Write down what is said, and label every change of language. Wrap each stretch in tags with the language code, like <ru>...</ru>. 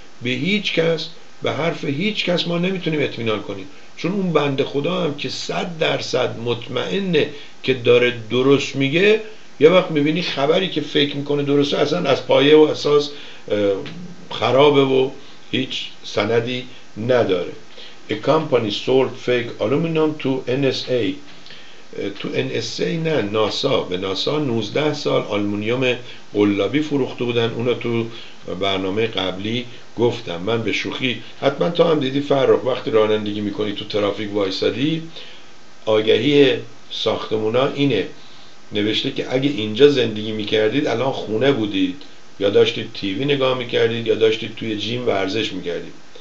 <fa>به هیچ کس، به حرف هیچ کس ما نمیتونیم اطمینان کنیم، چون اون بنده خدا هم که 100% مطمئنه که داره درست میگه، یه وقت میبینی خبری که فکر میکنه درسته اصلا از پایه و اساس خرابه و هیچ سندی نداره.</fa> <en>A company sold fake aluminum to NSA.</en> <fa>تو NSA نه، ناسا. به ناسا 19 سال آلومینیوم قلابی فروخته بودن. اونو تو برنامه قبلی گفتم. من به شوخی، حتما تو هم دیدی فرق وقتی رانندگی میکنی تو ترافیک وایسادی، آگهی ساختمونا اینه، نوشته که اگه اینجا زندگی میکردید الان خونه بودید، یا داشتید تیوی نگاه میکردید، یا داشتید توی جیم ورزش میکردید.</fa>